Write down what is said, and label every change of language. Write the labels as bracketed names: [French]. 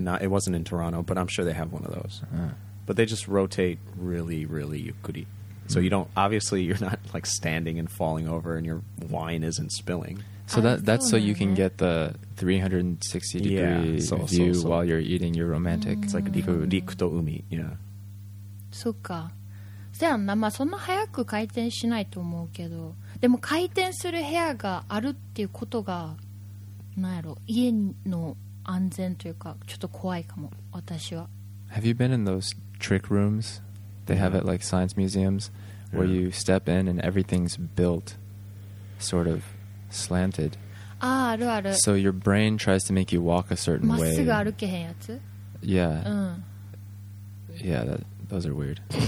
[English] Not, it wasn't in Toronto, but I'm sure they have one of those. But they just rotate really, really yukuri. So you don't, obviously you're not like standing and falling over and your wine isn't spilling. So that's so you can get the 360-degree view while you're eating your romantic food. It's like [Japanese] riku to umi, [English] yeah. [Japanese] そっか。せやんな、まあそんな早く回転しないと思うけど、でも回転する部屋があるっていうことが、なんやろ、家の安全というか、ちょっと怖いかも、私は。 [English] Have you been in those trick rooms? They have it like science museums, where you step in and everything's built, sort of slanted. [Japanese] Ah, あるある。 [English] So your brain tries to make you walk a certain way. [Japanese] まっすぐ歩けへんやつ? [English] Yeah. [Japanese] うん。 [English] Yeah, those are weird.